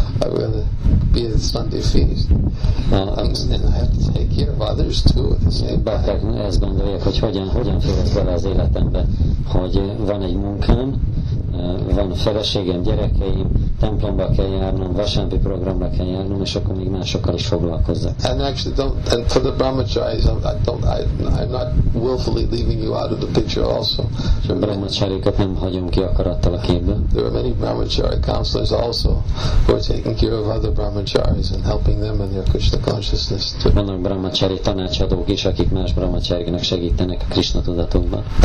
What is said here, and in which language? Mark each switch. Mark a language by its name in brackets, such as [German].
[English] I've got to be at the Sunday feast. And I have to take care of others too. [Hungarian] Bakták ezt gondolják, hogy hogyan férhet bele az életembe, hogy van egy munkám, van feleségem, gyerekeim, templomba kell járnom, vasárnapi programra kell járnom, és akkor még másokkal is foglalkozzak. [English] And actually, and for the brahmacharis, I'm not willfully leaving you out of the picture also. [Hungarian] A brahmacharikat nem hagyom ki akarattal a képbe. [English] There are many brahmachari counselors also who are taking care of other brahmacharis and helping them in their Krishna consciousness too. [Hungarian] Vannak brahmachari tanácsadók is, akik más brahmacharinak segítenek a Krishna tudatunkban.